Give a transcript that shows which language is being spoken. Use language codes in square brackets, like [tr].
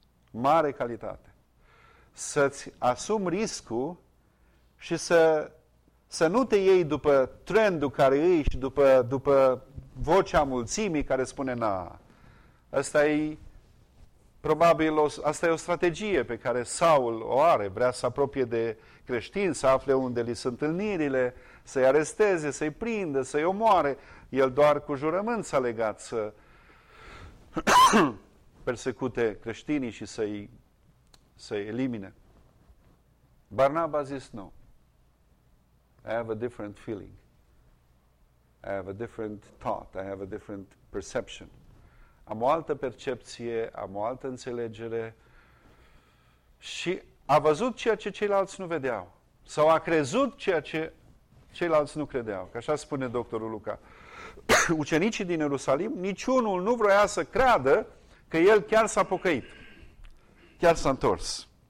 [ro] Mare calitate. Să-ți asumi riscul și să nu te iei după trendul care e și după vocea mulțimii care spune na, ăsta e probabil, asta e o strategie pe care Saul o are, vrea să apropie de creștini, să afle unde li sunt întâlnirile, să-i aresteze, să-i prindă, să-i omoare. El doar cu jurământ s-a legat să persecute creștinii și să-i elimine. Barnaba a zis nu. [en] I have a different feeling. I have a different thought. I have a different perception. [ro] Am o altă percepție, am o altă înțelegere și a văzut ceea ce ceilalți nu vedeau. Sau a crezut ceea ce ceilalți nu credeau. Că așa spune doctorul Luca. Ucenicii din Ierusalim, niciunul nu vroia să creadă că el chiar s-a pocăit. Chiar s-a întors.